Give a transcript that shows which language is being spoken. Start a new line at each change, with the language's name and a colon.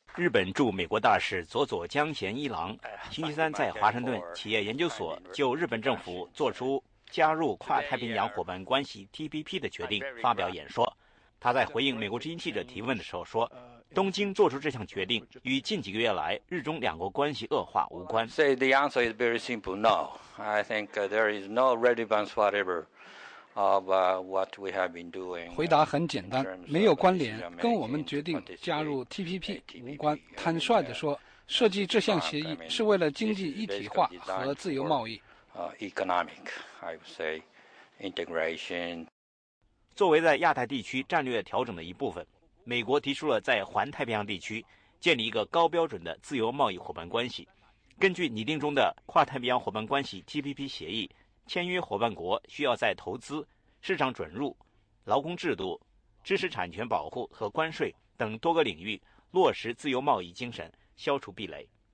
Chinese: 日本驻美国大使佐佐江贤一郎星期三在华盛顿企业研究所就日本政府做出加入跨太平洋伙伴关系 TPP 的决定发表演说。他在回应美国之音记者提问的时候说，东京做出这项决定与近几个月来日中两国关系恶化无关。
English: Say the answer is very simple, no. I think there is no relevance whatever of what we have been doing.
Chinese: 回答很简单，没有关联，跟我们决定加入 TPP 无关。坦率地说，设计这项协议是为了经济一体化和自由贸易。
English: Economic, I would say, integration.
Chinese: 作为在亚太地区战略调整的一部分，美国提出了在环太平洋地区建立一个高标准的自由贸易伙伴关系。根据拟定中的跨太平洋伙伴关系 TPP 协议，签约伙伴国需要在投资、市场准入、劳工制度、知识产权保护和关税等多个领域落实自由贸易精神，消除壁垒。